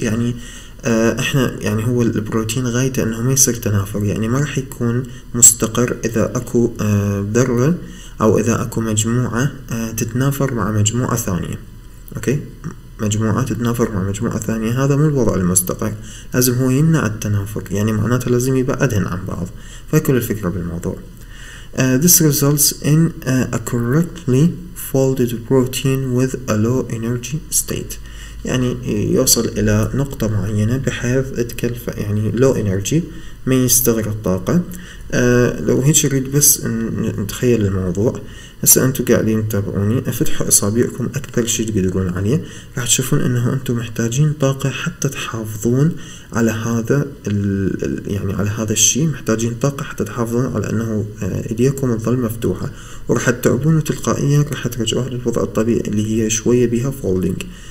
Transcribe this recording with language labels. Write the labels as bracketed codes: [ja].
[ar] يعني إحنا يعني هو البروتين غايته أنه ما يصير تنافر، يعني ما رح يكون مستقر إذا أكو ذرة أو إذا أكو مجموعة تتنافر مع مجموعة ثانية. أوكي مجموعات تتنافر مع مجموعة ثانية، هذا مو الوضع المستقر، لازم هو يمنع التنافر، يعني معناته لازم يبعدهن عن بعض. فكل الفكرة بالموضوع [en] this results in a correctly folded protein with a low energy state. [ar] يعني يوصل إلى نقطة معينة بحيث تكلف يعني low energy ما يستغرق طاقة. لو هيك نريد بس نتخيل الموضوع، هسا انتم قاعدين تتابعوني افتحوا اصابعكم اكثر شيء تقدرون عليه، راح تشوفون انه انتم محتاجين طاقه حتى تحافظون على هذا يعني على هذا الشيء، محتاجين طاقه حتى تحافظون على انه ايديكم تظل مفتوحه، وراح تتعبون وتلقائيا راح ترجعوا للوضع الطبيعي اللي هي شويه بها فولدينج.